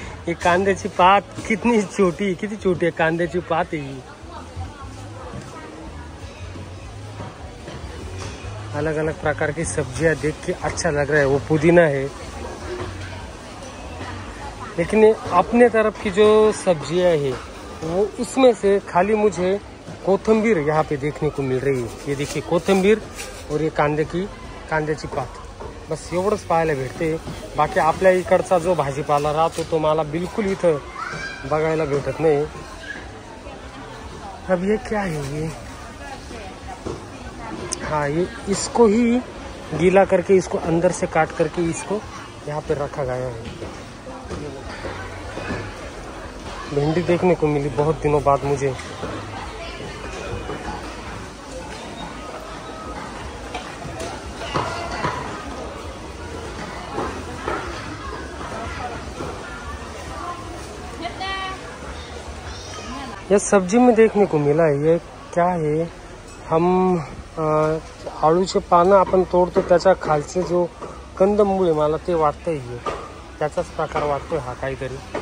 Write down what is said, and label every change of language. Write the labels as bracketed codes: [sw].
[hi] ये कांदेची पात कितनी छोटी है कांदेची पात है, ये अलग अलग प्रकार की सब्जियां देख के अच्छा लग रहा है। वो पुदीना है, लेकिन अपने तरफ की जो सब्जियां है वो उसमें से खाली मुझे कोथिंबीर यहाँ पे देखने को मिल रही है। ये देखिए कोथिंबीर और ये कांद्याची पात, [mr] बस एवढंच पाहायला भेटते। बाकी आपल्या इकडचा जो भाजीपाला राहतो तो मला बिलकुल इथं बघायला भेटत नाही। [hi] अब ये क्या है ये, हाँ ये इसको ही गीला करके इसको अंदर से काट करके इसको यहाँ पे रखा गया है। भिंडी देखने को मिली बहुत दिनों बाद मुझे, यह सब्जी में देखने को मिला है। ये क्या है, हम [mr] आळू चे पान आपण तोडतो त्याच्या खालचे जो कंदमूळ आहे मला ते वाटतंय त्याचाच प्रकार वाटतोय हा काहीतरी।